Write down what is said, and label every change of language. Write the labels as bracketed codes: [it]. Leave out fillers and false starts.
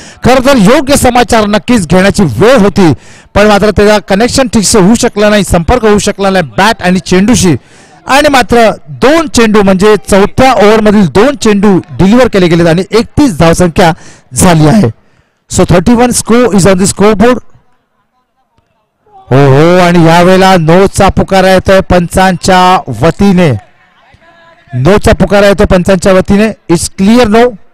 [mr] खरं तर योग्य समाचार नक्कीच घेण्याची वेळ होती पण मात्र त्याचा कनेक्शन ठीकशी होऊ शकला नाही संपर्क होऊ शकला नाही बॅट आणि चेंडूशी. आणि मात्र दोन चेंडू म्हणजे चौथ्या ओव्हरमधील दोन चेंडू डिलिव्हर केले गेलेत आणि 31 धावसंख्या झाली आहे. [en] So 31 score is on the scoreboard. [mr] ओहो आणि या वेळेला नो चा पुकारा येतो पंचांच्या वतीने, नो चा पुकारा येतो पंचांच्या वतीने, [en] It's clear no.